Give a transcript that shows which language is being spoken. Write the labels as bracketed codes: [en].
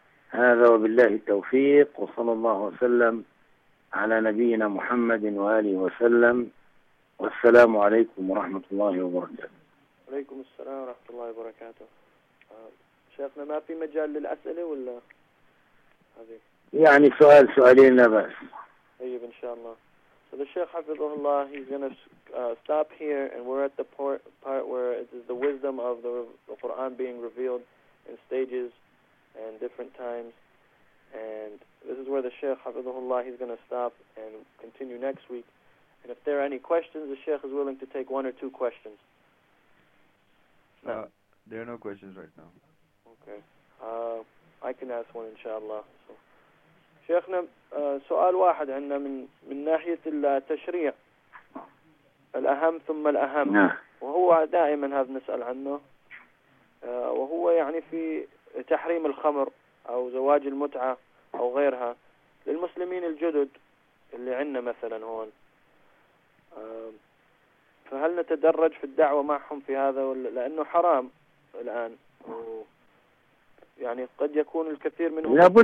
[ar] هذا وبالله التوفيق، وصلى الله وسلم على نبينا محمد وآله وسلم، والسلام عليكم ورحمة الله وبركاته. عليكم السلام ورحمة الله وبركاته. شيخنا، ما في مجال للأسئلة ولا هذه؟ سؤالين لا بأس. طيب إن شاء الله. [en] So the Sheikh Hafizullah, he's going to stop here, and we're at the part where it is the wisdom of the Quran being revealed in stages and different times. And this is where the Sheikh Hafizullah, he's going to stop and continue next week. And if there are any questions, the Sheikh is willing to take one or two questions. No, there are no questions right now. Okay. I can ask one, inshallah. So. [ar] شيخنا سؤال واحد عندنا من ناحية التشريع الأهم ثم الأهم وهو دائما هذا نسأل عنه وهو يعني في تحريم الخمر أو زواج المتعة أو غيرها للمسلمين الجدد اللي عندنا مثلا هون فهل نتدرج في الدعوة معهم في هذا لأنه حرام الآن يعني قد يكون الكثير منهم